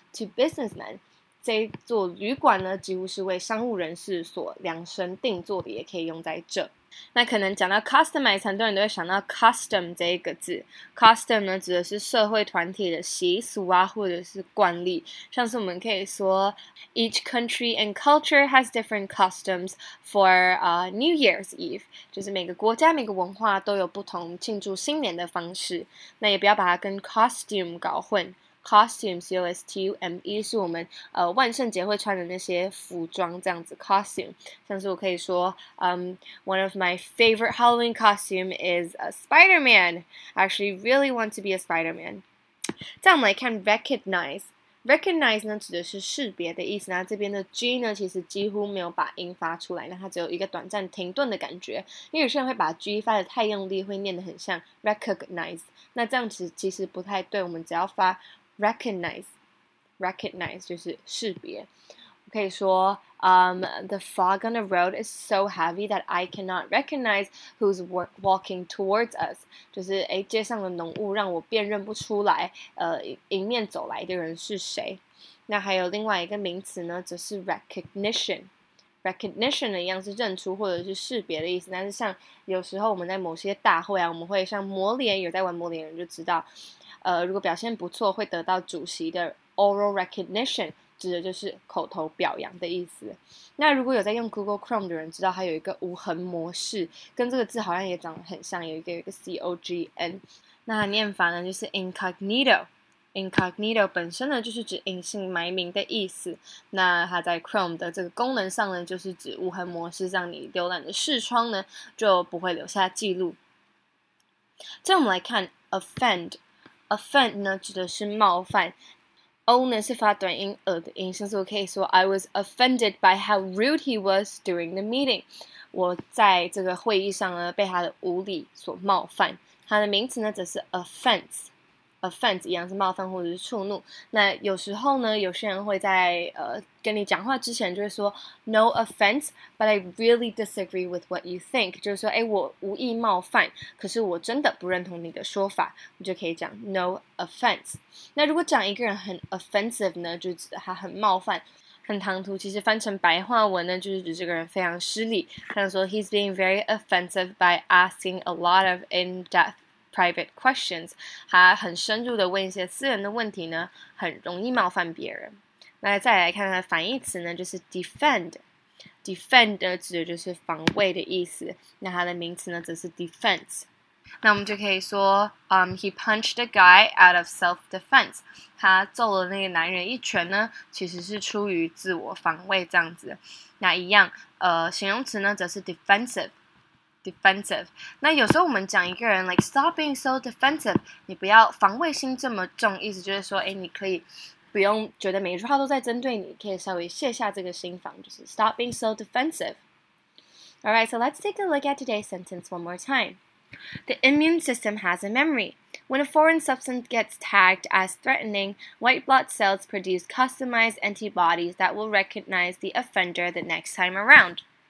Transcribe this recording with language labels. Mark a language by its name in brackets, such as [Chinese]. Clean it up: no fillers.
[English] To businessmen， [Chinese] 这座旅馆呢几乎是为商务人士所量身定做的，也可以用在这。那可能讲到 customize， 很多人都会想到 custom 这一个字。custom 呢指的是社会团体的习俗啊，或者是惯例。像是我们可以说 ， [English] Each country and culture has different customs for New Year's Eve， [Chinese] 就是每个国家每个文化都有不同庆祝新年的方式。那也不要把它跟 costume 搞混。 Costume, C-O-S-T-U-M-E, 是我们万圣节会穿的那些服装，这样子 costume. 像是我可以说, [English] one of my favorite Halloween costume is a Spider-Man. I actually really want to be a Spider-Man. [Chinese] 再我们来看 recognize. Recognize 呢指的是识别的意思，那这边的 G 呢其实几乎没有把音发出来，那它只有一个短暂停顿的感觉，因为有些人会把 G 发得太用力，会念得很像 recognize. 那这样子其实不太对，我们只要发 recognize 就是识别。我可以说 [English] the fog on the road is so heavy that I cannot recognize who's walking towards us. [Chinese] 就是街上的浓雾让我辨认不出来，迎面走来的人是谁。那还有另外一个名词呢，则是 recognition。 recognition 的一样，是认出或者是识别的意思。但是像有时候我们在某些大会啊，我们会像魔脸，有在玩魔脸人就知道，如果表现不错会得到主席的 oral recognition，指的就是口头表扬的意思。那如果有在用 Google Chrome 的人知道它有一个无痕模式，跟这个字好像也长得很像，有一个C-O-G-N。那念法呢就是 incognito。incognito 本身呢就是指隐姓埋名的意思，那它在 Chrome 的这个功能上呢就是指无痕模式，让你浏览的视窗呢就不会留下记录。接着我们来看 offend。 offend 呢指的是冒犯，O 呢是发短音 ，a 的音，像是我可以说 [English] I was offended by how rude he was during the meeting。 [Chinese] 我在这个会议上呢，被他的无礼所冒犯。它的名词呢，则是 offense， 一样是冒犯或者是触怒。那有时候呢，有些人会在跟你讲话之前就会说 [English] No offense, but I really disagree with what you think。 [Chinese] 就是说，哎，我无意冒犯，可是我真的不认同你的说法。你就可以讲 [English] No offense。 [Chinese] 那如果讲一个人很 offensive 呢，就指他很冒犯、很唐突。其实翻成白话文呢，就是指这个人非常失礼。 [English] 像说 He's being very offensive by asking a lot of in-depth. [Chinese] private questions， 他很深入的问一些私人的问题呢，很容易冒犯别人。那再来看看反义词呢，就是 defend。defend 呢指的就是防卫的意思，那它的名词呢则是 defense。那我们就可以说 [English] he punched a guy out of self-defense， [Chinese] 他揍了那个男人一拳呢，其实是出于自我防卫这样子。那一样形容词呢则是 defensive。那有时候我们讲一个人 [English] like stop being so defensive， [Chinese] 你不要防卫心这么重，意思就是说，哎，你可以不用觉得每一句话都在针对你，可以稍微卸下这个心防，就是 [English] stop being so defensive。 Alright, so let's take a look at today's sentence one more time. The immune system has a memory. When a foreign substance gets tagged as threatening, white blood cells produce customized antibodies that will recognize the offender the next time around.